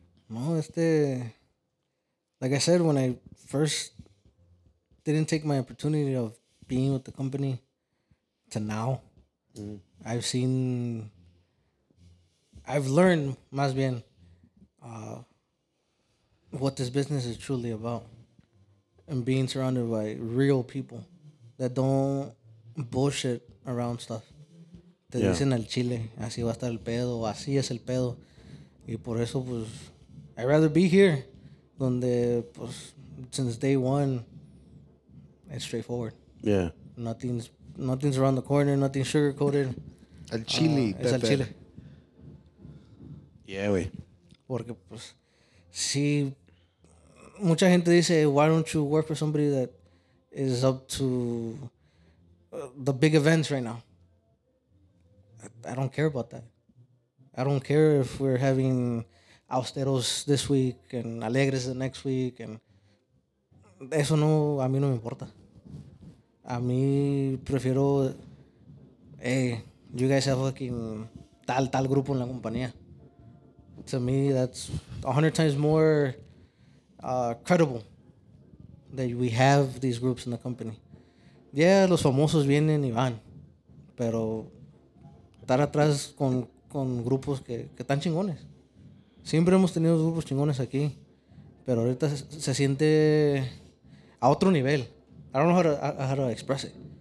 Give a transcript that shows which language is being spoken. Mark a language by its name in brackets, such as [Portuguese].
[English] No, like I said, when I first didn't take my opportunity of being with the company to now, mm-hmm. I've learned, [Spanish] más bien, [English] what this business is truly about and being surrounded by real people that don't bullshit around stuff. [Spanish] Te dicen al chile, así va a estar el pedo, así es el pedo. Y por eso, pues, [English] I'd rather be here, [Spanish] donde, pues, [English] since day one, it's straightforward. Yeah. Nothing's around the corner, nothing sugar-coated. [Spanish] Al chile. Es al chile. [English] Yeah, [Spanish] güey. Porque, pues, si mucha gente dice, [English] why don't you work for somebody that is up to the big events right now? I don't care about that. I don't care if we're having austeros this week and alegres the next week. [Spanish] And eso no, a mí no me importa. A mí prefiero, [English] hey, you guys have fucking [Spanish] tal grupo en la compañía. [English] To me, that's 100 times more credible that we have these groups in the company. Yeah, [Spanish] los famosos vienen y van, pero estar atrás con grupos que están chingones. Siempre hemos tenido grupos chingones aquí, pero ahorita se siente a otro nivel. [English] I don't know how to express it.